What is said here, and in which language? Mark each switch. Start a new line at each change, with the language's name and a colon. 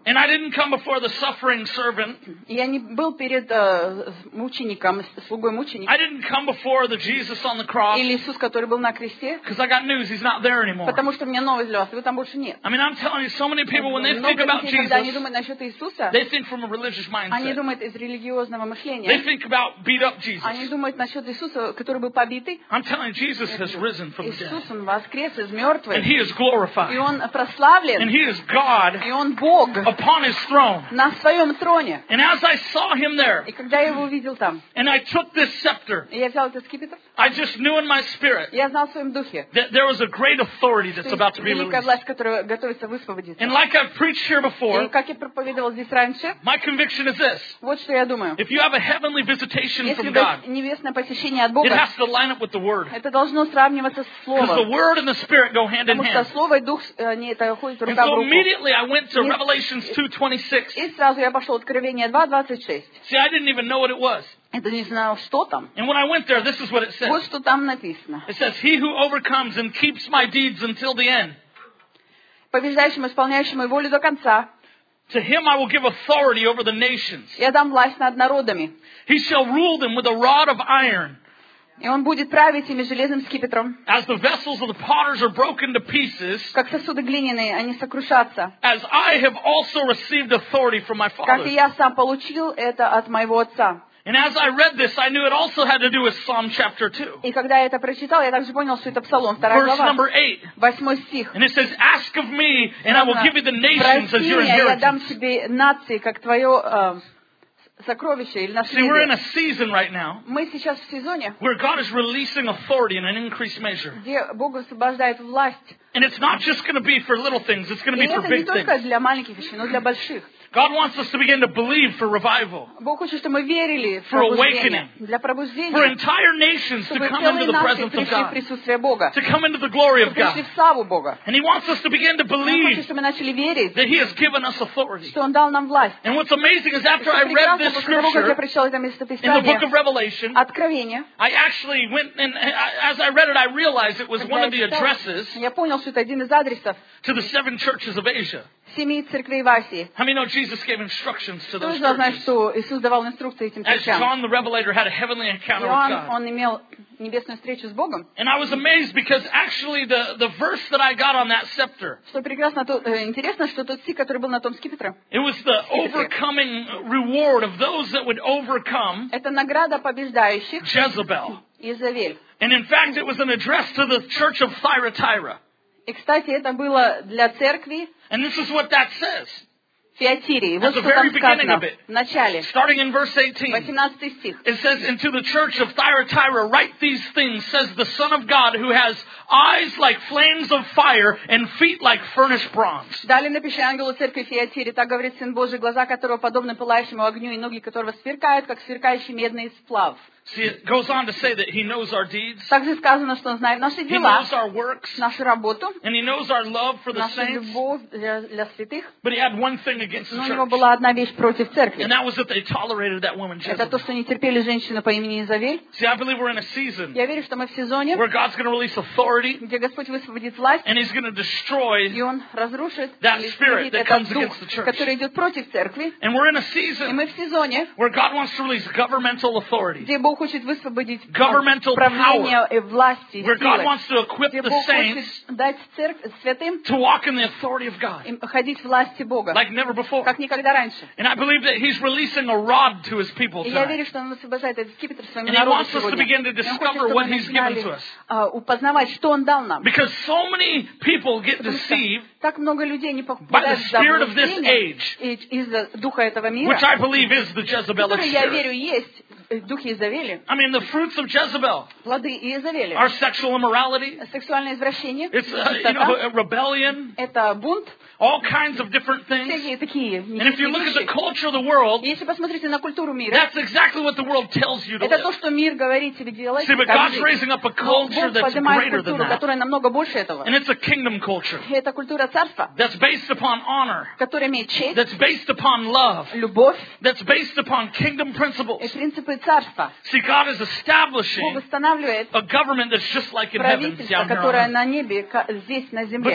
English: And I didn't come before the suffering servant.
Russian: Я не был перед мучеником, слугой мученика.
English: I didn't come before the Jesus on the cross.
Russian: Или Иисус, который был на кресте.
English: Because I got news, he's not there anymore.
Russian: Потому что мне новость для вас, его там больше нет.
English: I mean, I'm telling you, so many people, when they think about Jesus,
Russian: когда они думают насчет Иисуса,
English: they think from a religious mindset.
Russian: Они думают из религиозного мышления.
English: They think about beat up Jesus.
Russian: Они думают насчет Иисуса, который был побитый.
English: I'm telling you, Jesus has risen from the dead.
Russian: Иисус, он воскрес из мертвых.
English: And he is glorified.
Russian: И он прославлен.
English: He is God upon his throne.
Russian: На своём троне.
English: And as I saw him there,
Russian: и когда я его увидел там,
English: and I took this scepter,
Russian: я взял этот скипетр,
English: I just knew in my spirit,
Russian: я знал в своём духе,
English: that there was a great authority that's about to be released.
Russian: Великая власть, которая готовится высвободиться.
English: And like I've preached here before,
Russian: и как я проповедовал здесь раньше,
English: my conviction is this.
Russian: Вот что я думаю.
English: If you have a heavenly visitation
Russian: если
English: from God,
Russian: небесное посещение от Бога,
English: it has to line up with the word. Это должно сравниваться с словом. Because the word and the spirit go hand in hand.
Russian: Потому что слово и дух, они это ходят рука.
English: So immediately I went to Revelation 2:26.
Russian: И сразу я пошёл в Откровение 2:26.
English: See, I didn't even know what it was.
Russian: Я не знал, что там.
English: And when I went there, this is what it says.
Russian: Вот что там написано.
English: It says, "He who overcomes and keeps my deeds until the end."
Russian: Побеждающему, исполняющему мою волю до конца.
English: To him I will give authority over the nations.
Russian: Я дам власть над народами.
English: He shall rule them with a rod of iron.
Russian: И он будет править ими железным скипетром.
English: As the vessels of the potters are broken to pieces,
Russian: как сосуды глиняные, они сокрушатся.
English: As I have also received authority from my father,
Russian: как и я сам получил это от моего отца.
English: And as I read this, I knew it also had to do with Psalm chapter 2.
Russian: И когда я это прочитал, я также понял, что это Псалом, вторая глава.
English: Verse number 8.
Russian: Восьмой стих.
English: And it says, "Ask of me, and I will give you the nations as your inheritance."
Russian: Я дам тебе нации как твое сокровище или наследие.
English: See, we're in a season right now.
Russian: Мы сейчас в сезоне.
English: Where God is releasing authority in an increased measure.
Russian: Где Бог освобождает власть.
English: And it's not just going to be for little things, it's going to be for big things.
Russian: Не только для маленьких вещей, но для больших.
English: God wants us to begin to believe for revival.
Russian: Бог хочет, чтобы мы верили в пробуждение.
English: For entire nations to come into the presence of God. To come into the glory of God. And he wants us to begin to believe.
Russian: Хочет, чтобы мы начали верить.
English: That he has given us authority.
Russian: Что он дал нам власть.
English: And what's amazing is after I read this scripture. In the book of Revelation.
Russian: Откровение.
English: I actually went and as I read it I realized it was one of the addresses.
Russian: Я понял, что это один из адресов.
English: To the seven churches of Asia.
Russian: Семи церквей в Азии.
English: How many know Jesus gave instructions to those churches?
Russian: Кто знает, что Иисус давал инструкции этим церквям?
English: As John the Revelator had a heavenly encounter
Russian: Иоанн,
English: with God.
Russian: Он имел небесную встречу с Богом.
English: And I was amazed because actually the verse that I got on that scepter.
Russian: Что прекрасно, то интересно, что тот стих, который был на том скипетре.
English: It was the overcoming reward of those that would overcome.
Russian: Это награда побеждающих.
English: Jezebel.
Russian: Иезавель.
English: And in fact, it was an address to the church of Thyatira.
Russian: И, кстати, это было для церкви.
English: And this is what that says.
Russian: Фиатирии. Вот
English: at the very beginning of it.
Russian: В начале.
English: Starting in verse 18.
Russian: 18 стих.
English: It says, "Into the church of Thyatira write these things, says the Son of God, who has eyes like flames of fire and feet like furnace bronze."
Russian: Далее напиши ангелу церкви Фиатири. Так говорит Сын Божий, глаза которого подобны пылающему огню и ноги которого сверкают, как сверкающий медный сплав.
English: See, it goes on to say that he knows our deeds.
Russian: Также сказано, что он знает наши дела.
English: He knows our works.
Russian: Нашу работу.
English: And he knows our love for the saints.
Russian: Нашу любовь для святых.
English: But he had one thing against the church.
Russian: Но у него была одна вещь против церкви.
English: And that was that they tolerated that woman Jezebel.
Russian: Это то, что они терпели женщину по имени Иезавель.
English: See, I believe we're in a season.
Russian: Я верю, что мы в сезоне.
English: Where God's going to release authority.
Russian: Где Господь высвободит власть.
English: And he's going to destroy.
Russian: И он разрушит.
English: That spirit that comes against the church.
Russian: Который идет против церкви.
English: And we're in a season.
Russian: И мы в сезоне.
English: Where God wants to release governmental authority.
Russian: Где Бог хочет высвободить правление и власти силы.
English: Where God wants to equip the saints
Russian: дать святым
English: to walk in the authority of God.
Russian: Ходить в власти Бога.
English: Like never before.
Russian: Как никогда раньше.
English: And I believe that he's releasing a rod to his people tonight.
Russian: Я верю, что он освобождает этот скипетр своему народу.
English: And he wants us to begin to discover what he's given to us.
Russian: Упознавать, что он дал нам.
English: Because so many people get deceived.
Russian: Так много людей не попадают в заблуждение из-за духа этого мира.
English: Which I believe is the Jezebel spirit.
Russian: Я верю, есть Дух Иезавели.
English: I mean, the fruits of Jezebel.
Russian: Плоды Иезавели.
English: Our sexual immorality.
Russian: Сексуальное извращение.
English: It's rebellion.
Russian: Это бунт.
English: All kinds of different things.
Russian: Всякие такие.
English: And if you look at the culture of the world,
Russian: если посмотрите на культуру мира,
English: that's exactly what the world tells you to
Russian: это то, что мир говорит тебе делать.
English: See, but God's raising up a culture that's greater than that.
Russian: Которая намного больше этого.
English: And it's a kingdom culture.
Russian: Это культура царства.
English: That's based upon honor.
Russian: Которая имеет честь.
English: That's based upon love.
Russian: Любовь.
English: That's based upon kingdom principles.
Russian: И принципы царства.
English: See, God is establishing a government that's just like in heaven,
Russian: которая на небе, здесь на земле.